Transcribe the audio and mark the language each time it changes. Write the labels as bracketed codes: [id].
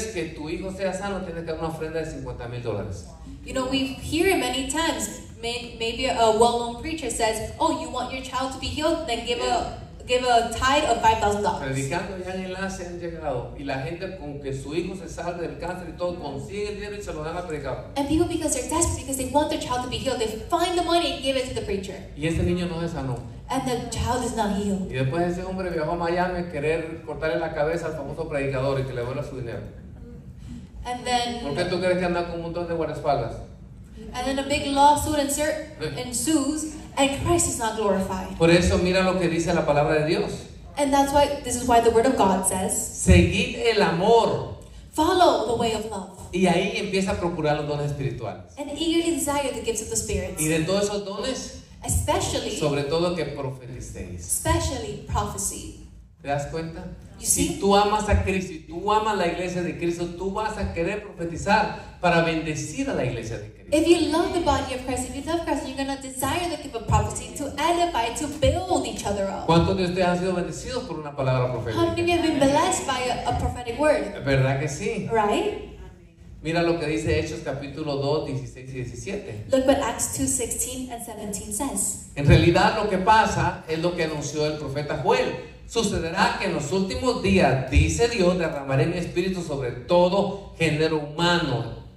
[es] Que tu hijo sea sano, tienes que dar una ofrenda de $50,000. [en] You know, we hear it many times. Maybe a well-known preacher says, oh, you want your child to be healed? Then give a tithe of $5,000. [es] Predicando ya en enlace han llegado. Y la gente con que su hijo se salve del cáncer y todo, consigue el dinero y se lo dan a predicar. [en] And people, because they're desperate, because they want their child to be healed, they find the money and give it to the preacher. [es] Y ese niño no se sanó. [en] And the child is not healed. [es] Y después ese hombre viajó a Miami a querer cortarle la cabeza al famoso predicador y que le vuelva su dinero. [en] And then, [es] ¿por qué tú crees que anda con un montón de guardaespaldas? [en] And then a big lawsuit ensues, and Christ is not glorified. [es] Por eso mira lo que dice la palabra de Dios. [en] And that's why, this is why the word of God says, [es] seguid el amor. [en] Follow the way of love. [es] Y ahí empieza a procurar los dones espirituales. [en] And eagerly desire the gifts of the Spirit. [es] Y de todos esos dones, [en] especially, [es] sobre todo que profeticéis. [en] Especially prophecy. [es] ¿Te das cuenta? [en] You see? [es] Si tú amas a Cristo y tú amas la iglesia de Cristo, tú vas a querer profetizar para bendecir a la iglesia de Cristo. [en] If you love the body of Christ, if you love Christ, you're going to desire the gift of prophecy to edify, to build each other up. [es] ¿Cuántos de ustedes han sido bendecidos por una palabra profética? [en] How many of you have been blessed by a prophetic word? [es] ¿Verdad que sí? [en] Right? [es] Mira lo que dice Hechos capítulo 2, 16 y 17. [en] Look what Acts 2, 16 and 17 says. [es] En realidad lo que pasa es lo que anunció el profeta Joel. Sucederá que en los últimos días, dice Dios, derramaré mi espíritu sobre todo género humano.